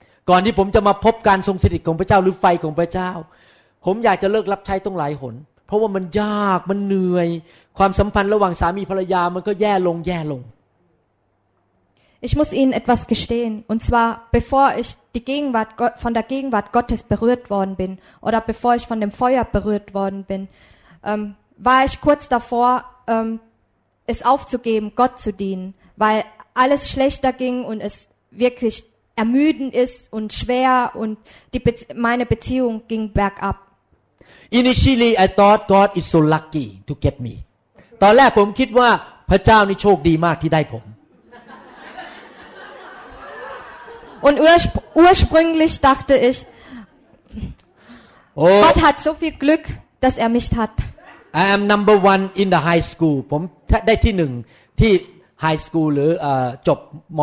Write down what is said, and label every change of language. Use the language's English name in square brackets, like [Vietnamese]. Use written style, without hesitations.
[Thai] ก่อนที่ผมจะมาพบการทรงสถิตของพระเจ้าหรือไฟของพระเจ้าผมอยากจะเลิกรับใช้ต้องหลายหนเพราะว่ามันยากมันเหนื่อยความสัมพันธ์ระหว่างสามีภรรยามันก็แย่ลงแย่ลง [German] Ich muss Ihnen etwas gestehen, und zwar bevor ich die Gegenwart von der Gegenwart Gottes berührt worden bin oder bevor ich von dem Feuer berührt worden bin, war ich kurz davor, es aufzugeben, Gott zu dienen, weil alles schlechter ging und es wirklich ermüdend ist und schwer und meine Beziehung ging bergab. [English] Initially, I thought God is so lucky to get me. [Thai] ตอนแรกผมคิดว่าพระเจ้านี่โชคดีมากที่ได้ผม [German] Und ursprünglich dachte ich, oh, Gott hat so viel Glück, dass mich hat. [English] I am number one in the high school. [Thai] ผมได้ที่หนึ่งที่ high school หรือจบม